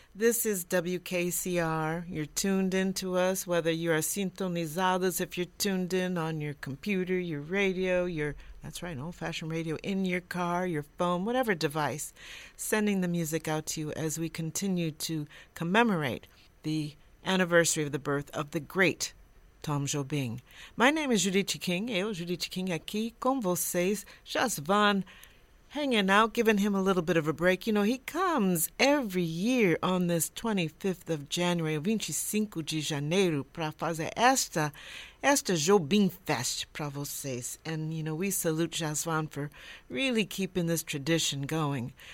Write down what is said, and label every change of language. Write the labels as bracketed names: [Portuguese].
[English] This is WKCR. You're tuned in to us, whether you are sintonizados, if you're tuned in on your computer, your radio, old-fashioned radio, in your car, your phone, whatever device, sending the music out to you as we continue to commemorate the anniversary of the birth of the great Tom Jobim. My name is Judith King. [Portuguese] Eu, Judith King, aqui com vocês. [English] Just Van hanging out, giving him a little bit of a break. You know, he comes every year on this 25th of January, [Portuguese] 25 de janeiro, para fazer esta Jobim Fest para vocês. [English] And, you know, we salute Just Van for really keeping this tradition going.